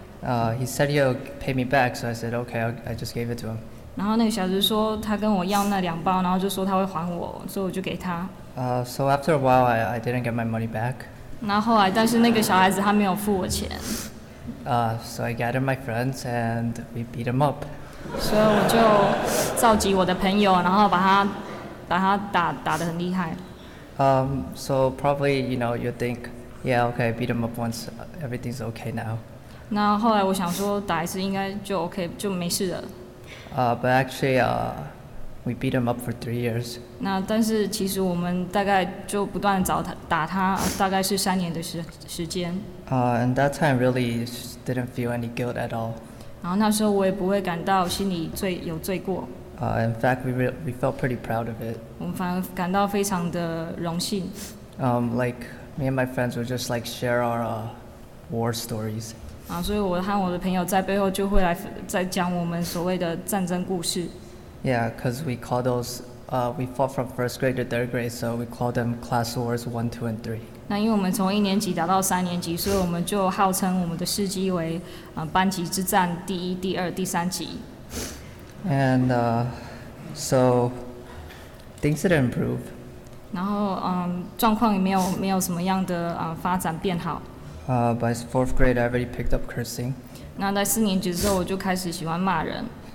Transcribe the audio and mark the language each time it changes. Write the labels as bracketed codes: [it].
[en] He said he'll pay me back, so I said okay. I just gave it to him. [zh] 然后那个小孩子说他跟我要那两包，然后就说他会还我，所以我就给他。 [en] So after a while, I didn't get my money back. [zh] 然后后来，但是那个小孩子他没有付我钱。 [en] So I gathered my friends and we beat him up. [zh] 所以我就召集我的朋友，然后把他打得很厉害。 [en] So probably you know you think, yeah, okay, beat him up once, everything's okay now. [zh] 那后来我想说打一次应该就 OK 就没事了。 [en] But actually, we beat him up for 3 years. [zh] 那但是其实我们大概就不断找他打他，大概是3年的时间。 [en] And that time really didn't feel any guilt at all. [zh] 然后那时候我也不会感到心里有罪过。 [en] In fact, we felt pretty proud of it. [zh] 我们反而感到非常的荣幸。 [en] Like me and my friends would just like share our war stories. [zh] 所以我和我的朋友在背后就会来再讲我们所谓的战争故事。 [en] Yeah, because we call those we fought from first grade to third grade, so we call them class wars 1, 2, and 3. [zh] 那因为我们从一年级打到三年级，所以我们就号称我们的事迹为班级之战第一、第二、第三级。 [en] And so things didn't improve. [zh] 然后状况也没有什么样的发展变好。 [en] By fourth grade, I already picked up cursing. [zh] 那在四年级之后，我就开始喜欢骂人。